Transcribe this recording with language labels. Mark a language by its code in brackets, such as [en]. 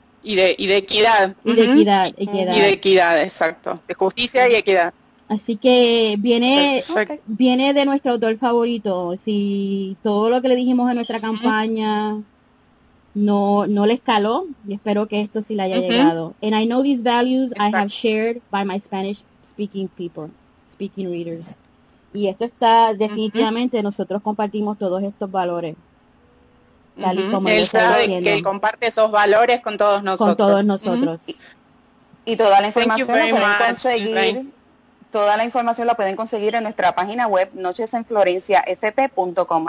[es] Y de equidad. Y de equidad. Y de equidad, exacto. De justicia y equidad. Así que viene de nuestro autor favorito. Si todo lo que le dijimos en nuestra campaña no le escaló, y espero que esto sí le haya llegado. [en] And I know these values I have shared by my Spanish-speaking people, speaking readers. [es] Y esto está definitivamente, nosotros compartimos todos estos valores. Tal y como él sabe diciendo, que él comparte esos valores con todos nosotros. Con todos nosotros. Y toda la información la pueden conseguir. Toda la información la pueden conseguir en nuestra página web nochesenflorenciasp.com.